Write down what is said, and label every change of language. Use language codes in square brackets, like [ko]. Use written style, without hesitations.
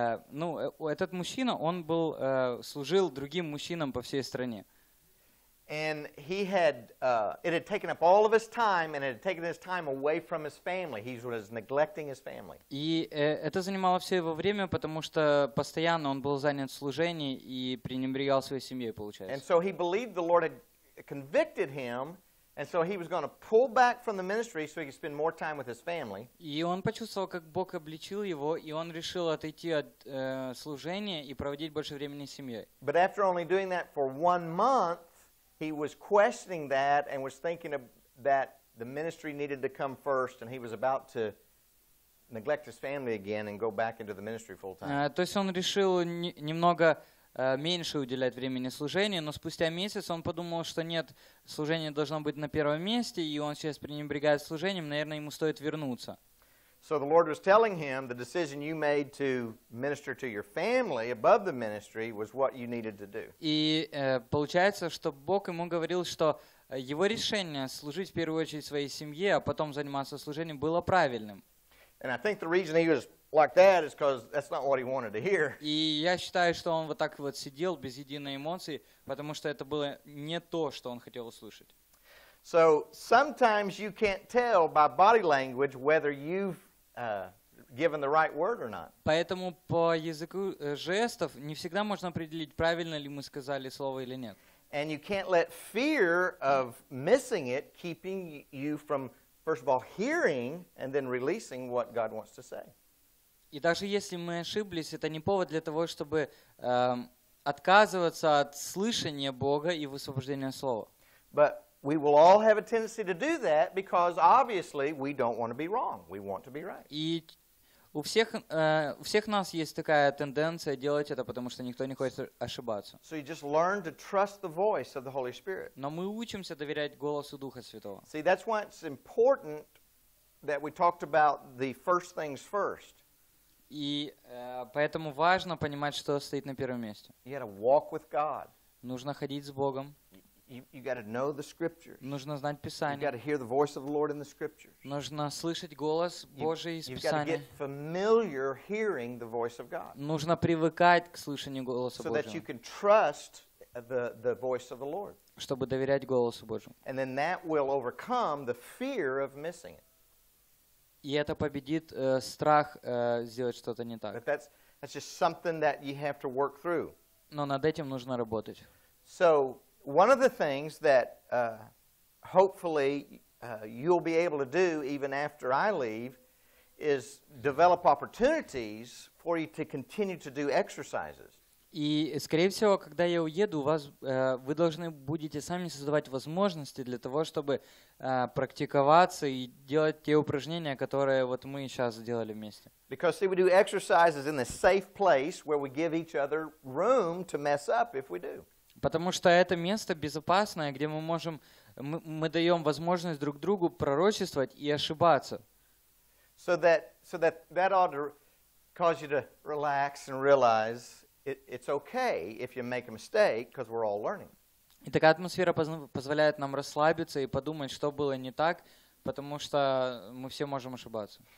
[ru] Ну, этот мужчина, он был, служил другим мужчинам по всей стране. [en] And he had, it had taken up all of his time, and it had taken his time away from his family. He was neglecting his family. [ru] И это занимало все его время, потому что постоянно он был занят служением и пренебрегал своей семьей, получается. [en] And so he believed the Lord had convicted him, and so he was going to pull back from the ministry so he could spend more time with his family. [ru] И он почувствовал, как Бог обличил его, и он решил отойти от служения и проводить больше времени с семьей. [en] But after only doing that for 1 month, he was questioning that and was thinking that the ministry needed to come first, and he was about to neglect his family again and go back into the ministry full time. [ru] То есть он решил немного меньше уделять времени служению, но спустя месяц он подумал, что нет, служение должно быть на первом месте, и он сейчас пренебрегает служением, наверное, ему стоит вернуться. [en] So the Lord was telling him the decision you made to minister to your family above the ministry was what you needed to do. [ru] И получается, что Бог ему говорил, что его решение служить в первую очередь своей семье, а потом заниматься служением было правильным. [en] And I think the reason he was like that is because that's not what he wanted to hear. [ru] И я считаю, что он вот так вот сидел без единой эмоции, потому что это было не то, что он хотел услышать. [en] So sometimes you can't tell by body language whether you've given the right word or not. [ru] Поэтому по языку жестов не всегда можно определить, правильно ли мы сказали слово или нет. [en] And you can't let fear of missing it keeping you from, first of all, hearing and then releasing what God wants to say. [ru] И даже если мы ошиблись, это не повод для того, чтобы отказываться от слышания Бога и высвобождения слова. [en] But we will all have a tendency to do that because obviously we don't want to be wrong. We want to be right. [ru] И у всех нас есть такая тенденция делать это, потому что никто не хочет ошибаться. [en] So you just learn to trust the voice of the Holy Spirit. [ru] Но мы учимся доверять голосу Духа Святого. [en] See, that's why it's important that we talked about the first things first. [ru] И поэтому важно понимать, что стоит на первом месте. [en] You gotta walk with God. [ru] Нужно ходить с Богом. [en] You got to know the scriptures. [ru] Нужно знать Писание. [en] You got to hear the voice of the Lord in the scriptures. [ru] Нужно слышать голос Божий из Писания. [en] You got to get familiar hearing the voice of God. [ru] Нужно привыкать к слышанию голоса Божьего. [en] So that you can trust the voice of the Lord. [ru] Чтобы доверять голосу Божьему. [en] And then that will overcome the fear of missing it. [ru] И это победит страх сделать что-то не так. [en] But that's just something that you have to work through. [ru] Но над этим нужно работать. [en] So one of the things that hopefully you'll be able to do even after I leave is develop opportunities for you to continue to do exercises. [ru] И, скорее всего, когда я уеду, у вас, вы должны будете сами создавать возможности для того, чтобы практиковаться и делать те упражнения, которые вот мы сейчас сделали вместе. [en] Because see, we do exercises in a safe place where we give each other room to mess up if we do. [ru] Потому что это место безопасное, где мы можем, мы даем возможность друг другу пророчествовать и ошибаться. [en] So that ought to cause you to relax and realize it's okay if you make a mistake, because we're all learning. [ru] И такая атмосфера позволяет нам расслабиться и подумать, что было не так, потому что мы все можем ошибаться.